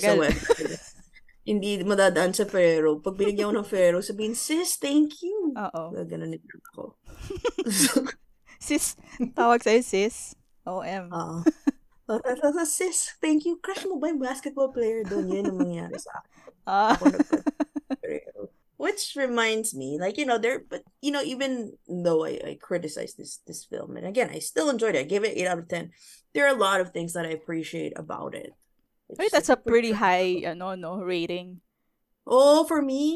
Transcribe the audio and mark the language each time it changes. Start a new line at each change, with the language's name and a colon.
English: Takes a while.
Filipino: Hindi madadaan sa Ferro. Pag binigyan ko ng Ferro, sabihin,
English: sis, thank you. Uh-oh.
Filipino: Ganun ito ako. Sis, tawag sa'yo, sis. OM.
English: Sis, thank you.
Filipino: Crush mo ba yung basketball player doon? Yun ang mangyari sa akin.
English: Which reminds me, like, you know, there, but, you know, even though I criticized this film, and again, I still enjoyed it. I gave it 8 out of 10. There are a lot of things that I appreciate about it. I think that's like a pretty high, no rating. Oh, for me?